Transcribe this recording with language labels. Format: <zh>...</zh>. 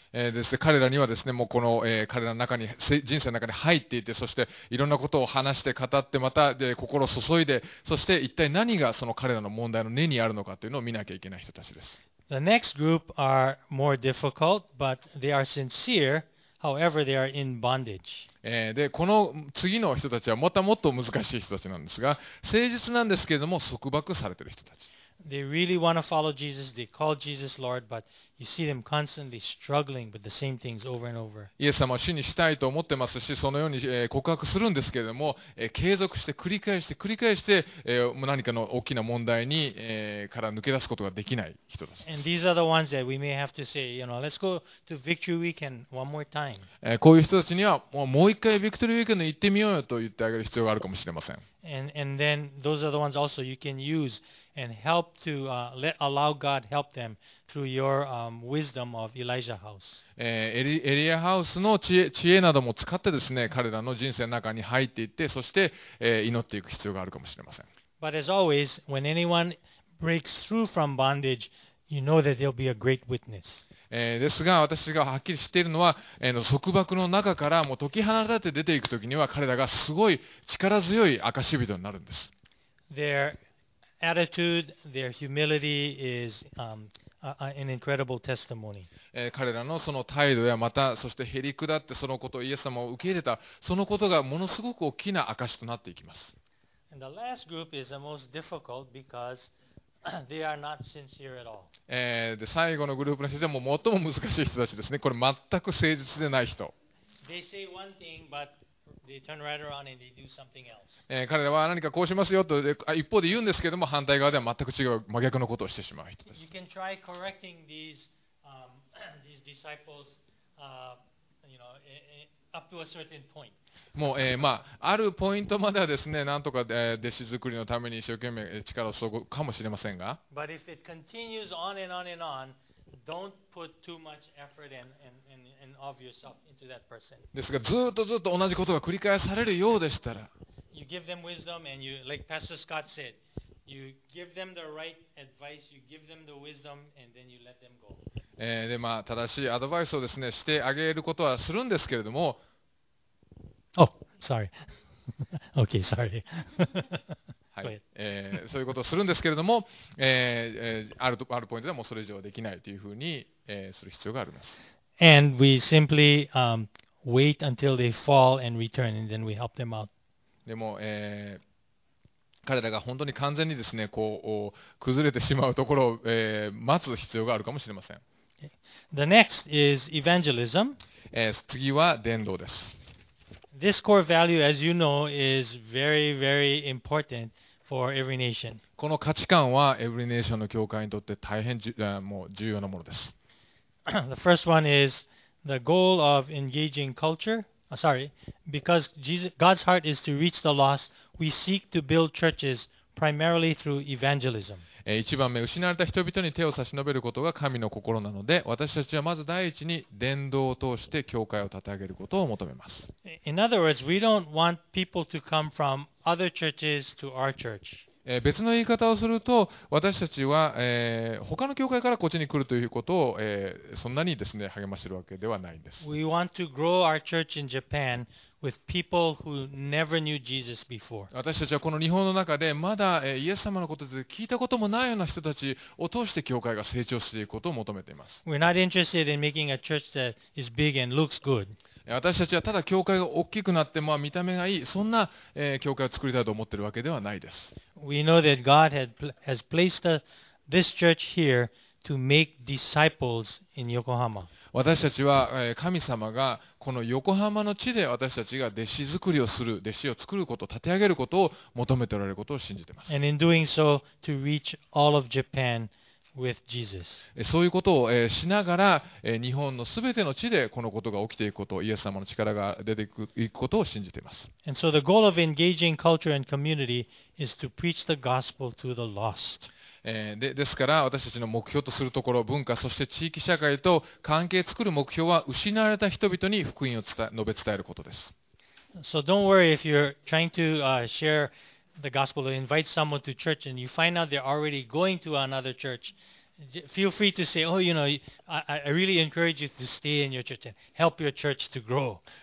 <ja>ですが、彼らにはですね、もうこの、彼らの中に人生の中に入っていて、そしていろんなことを話して語ってまたで心を注いで、そして一体何がその彼らの問題の根にあるのかというのを見なきゃいけない人たちです。</ja> <en>The next group are more difficult, but they are sincere. However, they are in bondage.</en> <ja>で、この次の人たちはもっともっと難しい人たちなんですが、誠実なんですけれども束縛されている人たち。</ja> <en>They really want to follow Jesus. They call Jesus Lord, but you see them constantly struggling with the same things over and over.</en> <ja>イエス様を主にしたいと思ってますし、そのように告白するんですけれども、継続して繰り返して繰り返して、何かの大きな問題に、から抜け出すことができない人たち。</ja> <en>And these are the ones that we may have to say, you know, let's go to Victory Weekend one more time.</en> <ja>こういう人たちにはもう一回 Victory Weekend 行ってみようよと言ってあげる必要があるかもしれません。</ja> <en>And then those are the ones also you can use. And help to allow God help them through your wisdom of Elijah House.</en> <ja>エリアハウスの知恵なども使ってですね、彼らの人生の中に入っていって、そして、祈っていく必要があるかもしれません。</ja> <en>But as always, when anyone breaks through from bondage, you know that they'll be a great witness.</en> <ja>ですが、私がはっきり知っているのは、束縛の中からもう解き放たれて出ていくときには、彼らがすごい力強い証人になるんです。</ja> <en>Attitude, their humility is an incredible testimony.</en> <ja>彼らのその態度やまたそして減り下ってそのことをイエス様を受け入れたそのことがものすごく大きな証となっていきます。</ja> <en>And the last group is the most difficult because they are not sincere at all.</en> <ja>で最後のグループの人たちは最も難しい人たちですね。これ全く誠実でない人。</ja> <en>They say one thing, but They turn right around and they do something else.</en> <ja>彼らは何かこうしますよと一方で言うんですけれども、反対側では全く違う真逆のことをしてしまう人です。</ja> <en>You can try correcting these, these disciples, you know, up to a certain point.</en> <ja>もう、まあ、あるポイントまではですね、なんとか弟子作りのために一生懸命力を注ぐかもしれませんが。</ja> <en>But if it continues on and on and on,Don't put too much effort and of yourself into that person.</en> <ja>ですが、ずっとずっと同じことが繰り返されるようでしたら、</ja> <en>You give them wisdom and you, like Pastor Scott said, you give them the right advice, you give them the wisdom and then you let them go.</en> <ja>でまあ、正しいアドバイスをですね、してあげることはするんですけれども。</ja> <en>Oh, sorry. Okay, sorry.</en> <ja>はい、そういうことをするんですけれども、あるポイントではもうそれ以上はできないというふうに、する必要があります。</ja> <en>And we simply, wait until they fall and return, and then we help them out.</en> <ja>でも、彼らが本当に完全にですね、こう崩れてしまうところを、待つ必要があるかもしれません。</ja> <en>The next is evangelism.</en> <ja>次は伝道です。</ja> <en>This core value, as you know, is very, very important for every nation.</en> <ja>この価値観は every nation の教会にとって大変もう重要なものです。</ja> <en>The first one is the goal of engaging culture. Because God's heart is to reach the lost, we seek to build churches primarily through evangelism.</en> <ja>一番目、失われた人々に手を差し伸べることが神の心なので、私たちはまず第一に伝道を通して教会を立て上げることを求めます。</ja> <en>In other words, we don't want people to come from other churches to our church.</en> <ja>別の言い方をすると、私たちは、他の教会からこっちに来るということを、そんなにですね、励ましているわけではないんです。</ja> <en>We want to grow our church in Japan. With people who never knew Jesus before.</en> <ja>私たちはこの日本の中でまだイエス様のことで聞いたこともないような人たちを通して教会が成長していくことを求めています。</ja> <en>We're not interested in making a church that is big and looks good.</en> <ja>私たちはただ教会が大きくなっても見た目がいい、そんな教会を作りたいと思っているわけではないです。</ja> <en>We know that God has placed this church here to make disciples in Yokohama.</en> <ja>私たちは神様がこの横浜の地で私たちが弟子作りをする、弟子を作ること、立て上げることを求めておられることを信じています。</ja> <en>And in doing so, to reach all of Japan with Jesus.</en> <ja>そういうことをしながら、日本のすべての地でこのことが起きていくこと、イエス様の力が出ていくことを信じています。</ja> <en>And so the goal of engaging culture and community is to preach the gospel to the lost.</en> <ja>ですから私たちの目標とするところ、文化、そして地域社会と関係を作る目標は、失われた人々に福音を述べ伝えることです。</ja> <en>So don't worry if you're trying to share the gospel or invite someone to church and you find out they're already going to another church. Feel free to say, oh, you know, I really encourage you to stay in your church and help your church to grow.</en>